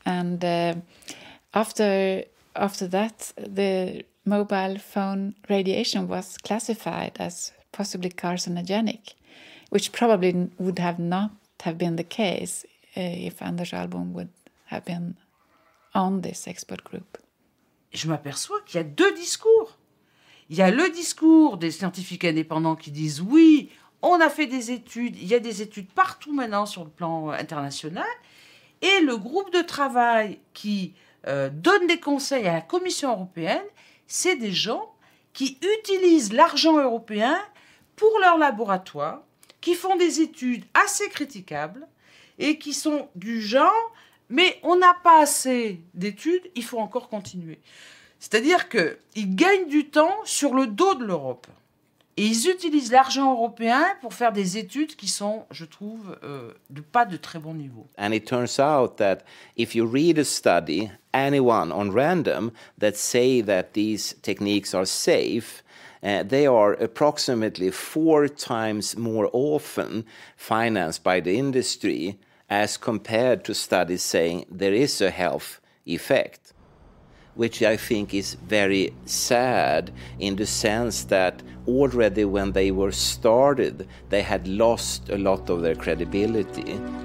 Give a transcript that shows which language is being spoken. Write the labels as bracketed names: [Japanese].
[English] And after that, the mobile phone radiation was classified as possibly carcinogenic, which probably would have not have been the case if Anders Ahlbom would have been on this expert group. [French] Je m'aperçois qu'il y a deux discours. Il y a le discours des scientifiques indépendants qui disent « Oui, on a fait des études, il y a des études partout maintenant sur le plan international. » Et le groupe de travail qui donne des conseils à la Commission européenne, c'est des gens qui utilisent l'argent européen pour leur laboratoire, qui font des études assez critiquables et qui sont du genre « Mais on n'a pas assez d'études, il faut encore continuer. » C'est-à-dire qu'ils gagnent du temps sur le dos de l'Europe. Et ils utilisent l'argent européen pour faire des études qui sont, je trouve, de pas de très bon niveau. [English] And it turns out that if you read a study, anyone on random, that say that these techniques are safe, They are approximately 4 times more often financed by the industry as compared to studies saying there is a health effect, which I think is very sad in the sense that already when they were started, they had lost a lot of their credibility.